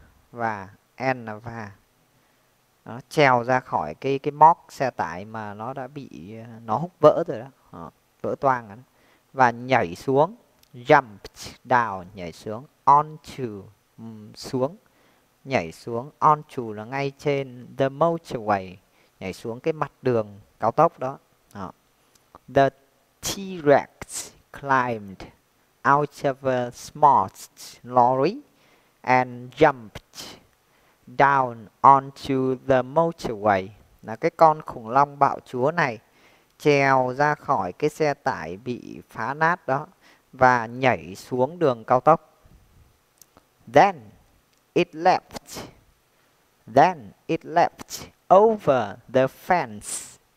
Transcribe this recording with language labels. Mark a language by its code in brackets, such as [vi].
[vi] Và n là và nó trèo ra khỏi cái móc xe tải mà nó đã bị nó hút vỡ rồi đó, vỡ toang rồi đó. Và nhảy xuống, [en] jump down, [vi] nhảy xuống, [en] onto, [vi] xuống, nhảy xuống, onto là ngay trên [en] the motorway, [vi] nhảy xuống cái mặt đường cao tốc đó. [en] The T-Rex climbed out of a smart lorry and jumped down onto the motorway. [vi] Là cái con khủng long bạo chúa này trèo ra khỏi cái xe tải bị phá nát đó và nhảy xuống đường cao tốc. [en] Then it leapt. Then it leapt over the fence.